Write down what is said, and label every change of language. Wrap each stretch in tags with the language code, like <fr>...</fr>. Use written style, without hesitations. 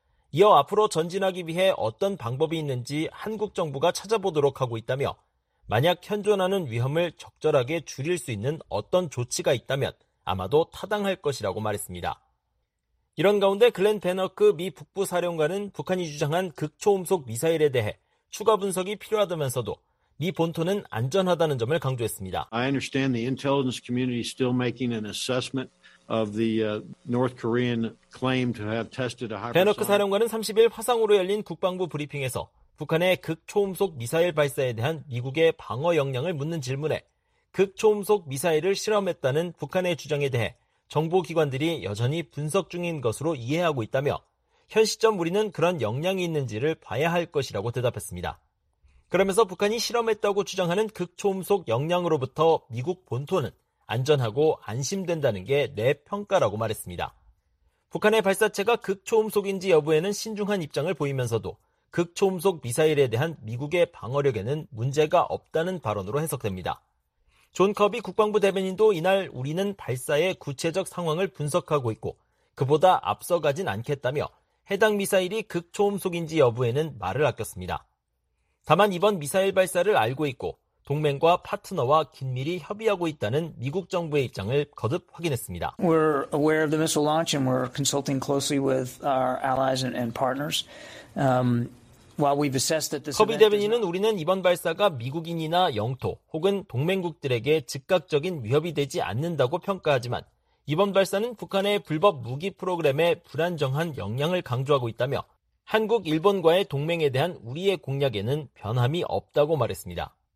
<ko>이어 앞으로 전진하기 위해 어떤 방법이 있는지 한국 정부가 찾아보도록 하고 있다며 만약 현존하는 위험을 적절하게 줄일 수 있는 어떤 조치가 있다면 아마도 타당할 것이라고 말했습니다. 이런 가운데 글렌 베너크 미 북부 사령관은 북한이 주장한 극초음속 미사일에 대해 추가 분석이 필요하다면서도 미 본토는 안전하다는 점을 강조했습니다.</ko> <en>I understand the intelligence community is still making an assessment of the North Korean claim to have tested a hypersonic.</en> <ko>베너크 사령관은 30일 화상으로 열린 국방부 브리핑에서 북한의 극초음속 미사일 발사에 대한 미국의 방어 역량을 묻는 질문에 극초음속 미사일을 실험했다는 북한의 주장에 대해 정보기관들이 여전히 분석 중인 것으로 이해하고 있다며 현 시점 우리는 그런 역량이 있는지를 봐야 할 것이라고 대답했습니다. 그러면서 북한이 실험했다고 주장하는 극초음속 역량으로부터 미국 본토는 안전하고 안심된다는 게 내 평가라고 말했습니다. 북한의 발사체가 극초음속인지 여부에는 신중한 입장을 보이면서도 극초음속 미사일에 대한 미국의 방어력에는 문제가 없다는 발언으로 해석됩니다. 존 커비 국방부 대변인도 이날 우리는 발사의 구체적 상황을 분석하고 있고 그보다 앞서가진 않겠다며 해당 미사일이 극초음속인지 여부에는 말을 아꼈습니다. 다만 이번 미사일 발사를 알고 있고 동맹과 파트너와 긴밀히 협의하고 있다는 미국 정부의 입장을 거듭 확인했습니다.</ko> <en>We're aware of the missile launch and we're consulting closely with our allies and partners. While we've assessed that this</en> <ko>커비 대변인은 우리는 이번 발사가 미국인이나 영토 혹은 동맹국들에게 즉각적인 위협이 되지 않는다고 평가하지만 이번 발사는 북한의 불법 무기 프로그램에 불안정한 영향을 강조하고 있다며 한국, 일본과의 동맹에 대한 우리의 공약에는 변함이 없다고 말했습니다.</ko>